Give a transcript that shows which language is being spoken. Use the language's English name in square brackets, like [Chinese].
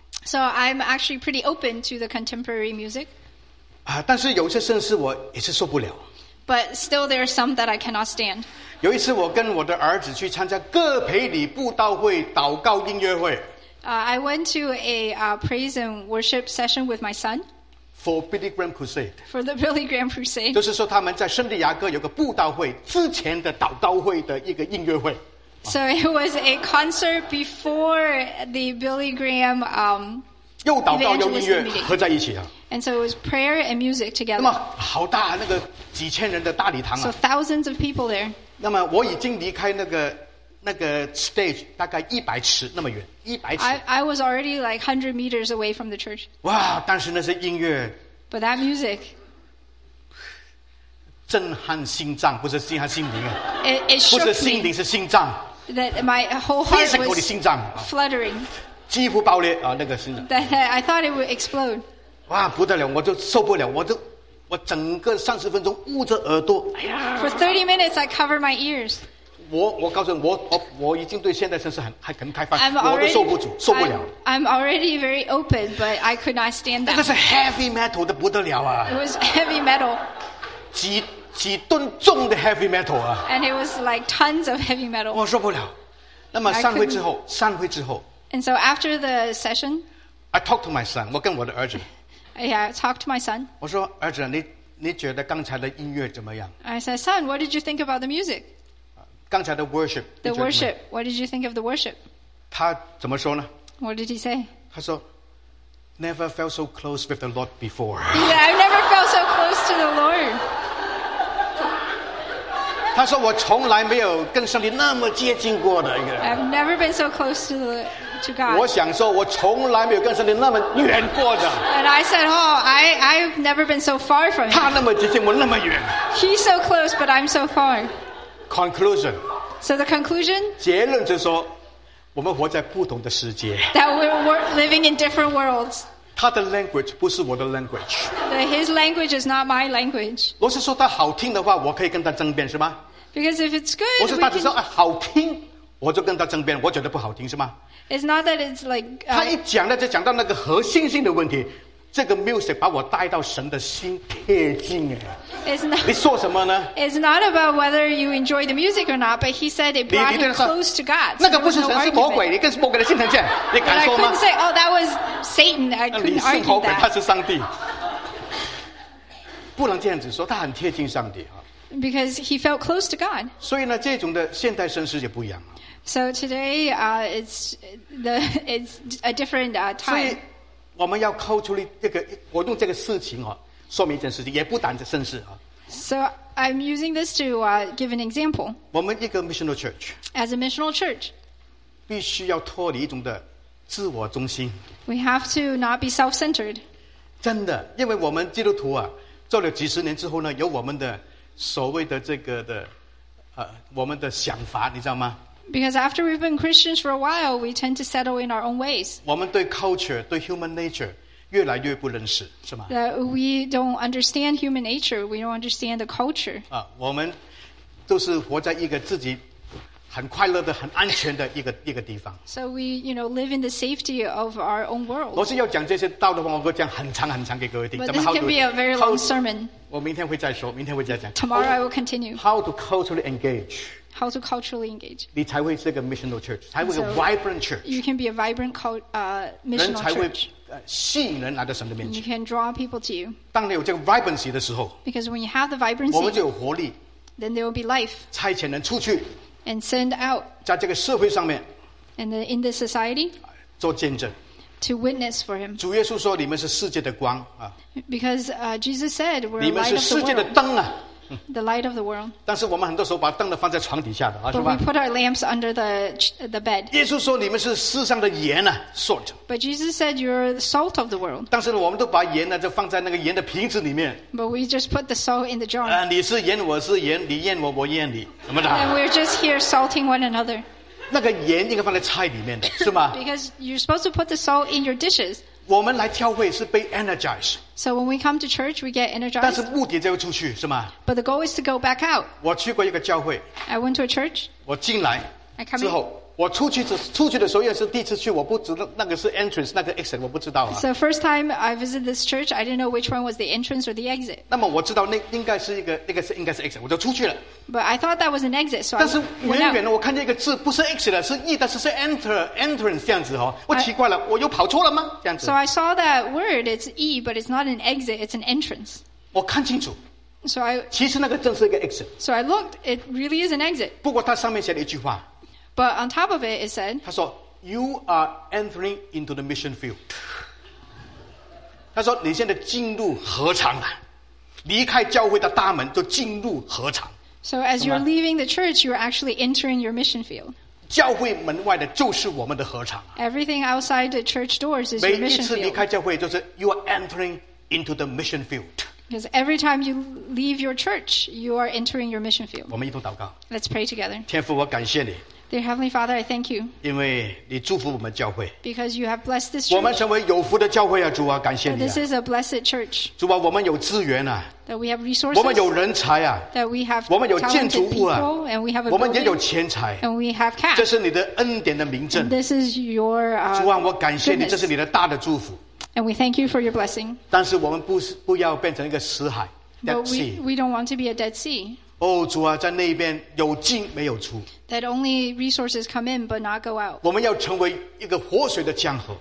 [English] So I'm actually pretty open to the contemporary music. [Chinese] 但是有些圣诗我也是受不了。 [English] But still, there are some that I cannot stand. [Chinese] 有一次，我跟我的儿子去参加哥培里布道会祷告音乐会。 [English] I went to a praise and worship session with my son. For Billy Graham Crusade. For the Billy Graham Crusade. [Chinese] 就是说，他们在圣地亚哥有个布道会之前的祷告会的一个音乐会。 [English] So it was a concert before the Billy Graham [Chinese] 又祷告又音乐合在一起啊。 [English] And so it was prayer and music together. [Chinese] 那么好大那个几千人的大礼堂啊。 [English] So thousands of people there. [Chinese] 那么我已经离开那个 stage 大概100尺那么远，100尺。 [English] I was already like 100 meters away from the church. [Chinese] 哇，但是那些音乐。 [English] But that music. [Chinese] 震撼心脏，不是震撼心灵啊。 [English] It shook me. [Chinese] 不是心灵，是心脏。 [English] That my whole heart was fluttering. [Chinese] 几乎爆裂啊，那个心脏。 [English] That I thought it would explode. [Chinese] 哇，不得了，我就受不了，我整个30分钟捂着耳朵。 [English] For 30 minutes, I covered my ears. [Chinese] 我告诉你，我已经对现代神是很开放， already, 我都受不住，受不了。 [English] I'm already very open, but I could not stand that. [Chinese] 那个是 heavy metal 的不得了啊。 [English] It was heavy metal. [Chinese] 几吨重的 heavy metal 啊。 [English] And it was like tons of heavy metal. [Chinese] 我受不了。那么散会之后。 [English] And so after the session, I talked to my son. [Chinese] 我跟我的儿子。 [English] Yeah, I talked to my son. [Chinese] 我说儿子，你觉得刚才的音乐怎么样？ [English] I said, son, what did you think about the music? [Chinese] 刚才的 worship. [English] The worship. What did you think of the worship? [Chinese] 他怎么说呢？ [English] What did he say? [Chinese] 他说 [English] never felt so close with the Lord before. He said, I've never felt so close to the Lord. [Chinese] 他说我从来没有跟上帝那么接近过的一个。 [English] I've never been so close to the Lord. [Chinese] 我想说，我从来没有跟圣灵那么远过的。 [English] And I said, "Oh, I've never been so far from him." [Chinese] 他那么接近，我那么远。 [English] He's so close, but I'm so far. Conclusion. So the conclusion. [Chinese] 结论就是说，我们活在不同的世界。 [English] That we're living in different worlds. [Chinese] 他的 language 不是我的 language. [English] That his language is not my language. [Chinese] 我是说他好听的话，我可以跟他争辩，是吗 [English] ？Because if it's good, [Chinese] 我是他只说好听。我就跟他争辩，我觉得不好听，是吗 [English] ？It's not that it's like、 [Chinese] 他一讲呢，就讲到那个核心性的问题。这个 music 把我带到神的心贴近哎。 [English] It's not. [Chinese] 你说什么呢 [English] ？It's not about whether you enjoy the music or not, but he said it brought him close to God. [Chinese] 那个不是神，是魔鬼，你跟魔鬼的心很近，你敢说吗 [English] ？I couldn't say, oh, that was Satan. I couldn't argue that. [Chinese] 你是魔鬼，他是上帝。不能这样子说，他很贴近上帝啊。 [English] Because he felt close to God. [Chinese] 所以呢，这种的现代神世界不一样。 [English] So today, it's a different time. [Chinese] 所以我们要扣出这个，我用这个事情哦，说明一件事情，也不单是圣事啊。 [English] So I'm using this to give an example. [Chinese] 我们一个 [English] missional church. As a missional church, [Chinese] 必须要脱离一种的自我中心。 [English] We have to not be self-centered. [Chinese] 真的，因为我们基督徒啊，做了几十年之后呢，有我们的所谓的这个的我们的想法，你知道吗？ [English] Because after we've been Christians for a while, we tend to settle in our own ways. [Chinese] 我们对 culture, 对 [English] human nature, [Chinese] 越来越不认识，是吗？ [English] That we don't understand human nature, we don't understand the culture. [Chinese] 我们都是活在一个自己很快乐的、很安全的一个地方。 [English] So we, you know, live in the safety of our own world. [Chinese] 我是要讲这些道的话，我会讲很长很长给各位听。 [English] But this can be a very long sermon. [Chinese] 我明天会再说，明天会再讲。 [English] Tomorrow I will continue. How to culturally engage? How to culturally engage. [Chinese] 你才会是个 [English] missional church, [Chinese] 才会是 [English] vibrant church. You can be a vibrant missional church. [Chinese] 人才会吸引人来到神的面前。 [English] You can draw people to you. [Chinese] 当你有这个 vibrancy 的时候。 [English] Because when you have the vibrancy, [Chinese] 我们就有活力。 [English] Then there will be life. [Chinese] 差遣人出去。 [English] And send out. [Chinese] 在这个社会上面。 [English] And then in this society. [Chinese] 做见证。 [English] To witness for him. [Chinese] 主耶稣说你们是世界的光。 [English] Because Jesus said we're a light of the world. [Chinese] 你们是世界的灯啊。 [English] The light of the world. [Chinese] 但是我们很多时候把灯呢放在床底下的，是吧 [English] ？But we put our lamps under the bed. [Chinese] 耶稣说你们是世上的盐啊 ，salt. [English] But Jesus said you're the salt of the world. [Chinese] 但是呢，我们都把盐呢就放在那个盐的瓶子里面。 [English] But we just put the salt in the jar. [Chinese] 你是盐，我是盐，你验我，我验你，怎么的 [English] ？And we're just here salting one another. [Chinese] 那个盐应该放在菜里面的，是吗 [English] ？Because you're supposed to put the salt in your dishes. [Chinese] 我们来教会是被 energized。 [English] So when we come to church, we get energized. [Chinese] 但是目的就要出去，是吗 [English] ？But the goal is to go back out. [Chinese] 我去过一个教会。 [English] I went to a church. [Chinese] 我进来。 [English] I come [Chinese] 之后，我出去的时候也是第一次去，我不知道那个是 entrance， 那个 exit， 我不知道啊。 [English] So first time I visited this church, I didn't know which one was the entrance or the exit. [Chinese] 那么我知道那应该是一个，那个是应该是 exit， 我就出去了。 [English] But I thought that was an exit, so. [Chinese] 但是远远的，我看见一个字，不是 exit， 是 e， 但是 entrance 这样子哦，我奇怪了，我又跑错了吗？这样子。 [English] So I saw that word, it's e, but it's not an exit, it's an entrance. [Chinese] 我看清楚。 [English] So I. [Chinese] 其实那个正是一个 exit. [English] So I looked, it really is an exit. [Chinese] 不过它上面写了一句话。 [English] But on top of it, it said, [Chinese] 他说 [English] "You are entering into the mission field." [Chinese] 他说你现在进入何场了？离开教会的大门就进入何场？ [English] So as you're leaving the church, you're actually entering your mission field. [Chinese] 教会门外的就是我们的何场。 [English] Everything outside the church doors is your mission field. [Chinese] 每一次离开教会就是 [English] you are entering into the mission field. Because every time you leave your church, you are entering your mission field. [Chinese] 我们一同祷告。 [English] Let's pray together. [Chinese] 天父，我感谢你。 [English] Dear Heavenly Father, I thank you. [Chinese] 因为你祝福我们教会。 [English] Because you have blessed this church. [Chinese] 我们成为有福的教会啊，主啊，感谢你啊。 [English] This is a blessed church. [Chinese] 主啊，我们有资源啊。 [English] That we have resources. [Chinese] 我们有人才啊。 [English] That we have. [Chinese] 我们有建筑物啊。 [English] And we have. [Chinese] 我们也有钱财。 [English] And we have cash. [Chinese] 这是你的恩典的明证。 [English] This is your. [Chinese] 主啊，我感谢你，这是你的大的祝福。 [English] And we thank you for your blessing. [Chinese] 但是我们不要变成一个死海。 [English] But we don't want to be a dead sea. [Chinese] 哦，主啊，在那边有进没有出。 [English] That only resources come in but not go out. [Chinese] 我们要成为一个活水的江河。